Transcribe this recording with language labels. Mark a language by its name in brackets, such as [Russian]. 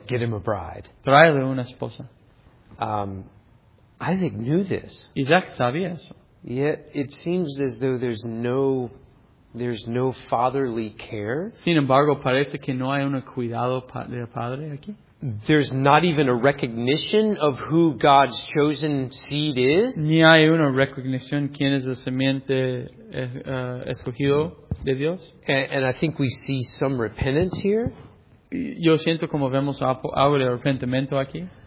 [English] Get him a bride. [Spanish] Traerle una esposa. [English] Isaac knew this. [Spanish] Isaac sabía eso. [English] Yet it seems as though there's no fatherly care. [Spanish] Sin embargo, parece que no hay un cuidado del padre aquí. [English] There's not even a recognition of who God's chosen seed is. [Spanish] Ni hay una recognición quién es la simiente escogido de Dios. [English] And I think we see some repentance here. [Spanish] Yo siento como vemos algo de arrepentimiento aquí.